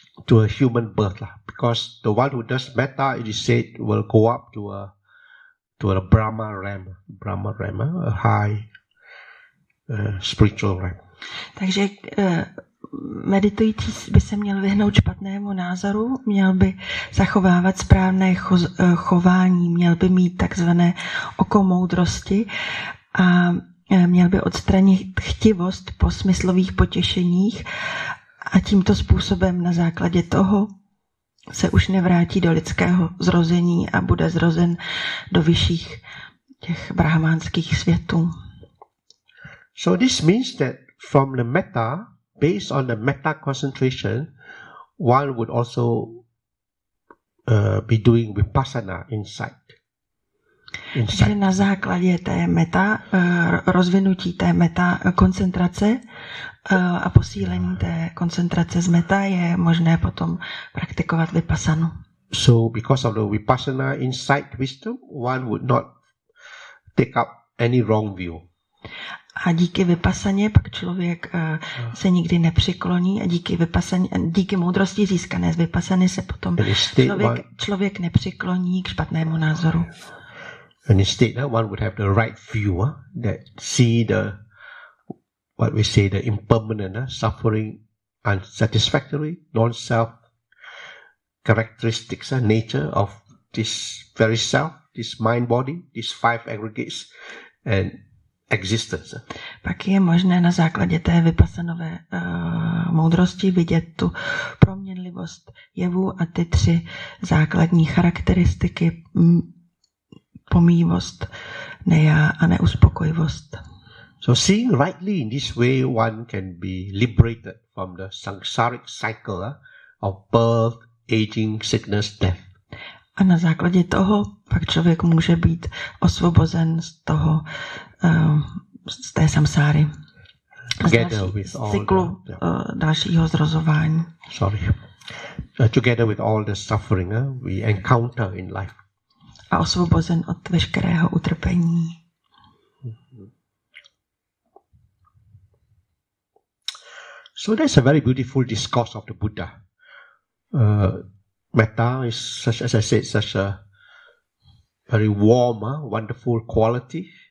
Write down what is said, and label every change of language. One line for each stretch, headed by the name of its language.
English: a human birth, because the one who does metta, it is said, will go up to a Brahma realm, a high spiritual realm.
Czech: Takže meditující by se měl vyhnout špatnému názoru, měl by zachovávat správné chování, měl by mít takzvané oko moudrosti a měl by odstranit chtivost po smyslových potěšeních a tímto způsobem na základě toho se už nevrátí do lidského zrození a bude zrozen do vyšších těch brahmánských světů.
English: So this means that from the metta, based on the metta concentration, one would also be doing vipassana insight.
Czech: Takže na základě té metta, rozvinutí té metta koncentrace a posílení té koncentrace z metta je možné potom praktikovat vipassanu.
English: So because of the vipassana insight wisdom, one would not take up any wrong view.
Czech: A díky vipassaně pak člověk se nikdy nepřikloní a díky moudrosti získané z vipassany se potom člověk nepřikloní k špatnému názoru.
English: And instead, one would have the right view that see the what we say the impermanent suffering, unsatisfactory, non-self characteristics, nature of this very self, this mind body, these five aggregates and existence.
Czech: Pak je možné na základě té vypasanové moudrosti vidět tu proměnlivost jevu a ty tři základní charakteristiky pomývost, nejá a neuspokojivost.
English: So seeing rightly in this way, one can be liberated from the samsaric cycle of birth, aging, sickness, death.
Czech: A na základě toho pak člověk může být osvobozen z toho z té samsáry.
English: Together with all
Czech: cyklu dalšího zrozování.
English: Sorry. Together with all the suffering we encounter in life.
Czech: A osvobozen od veškerého utrpení.
English: So that's a very beautiful discourse of the Buddha. Metta is such, as I said, such a very warm, wonderful quality.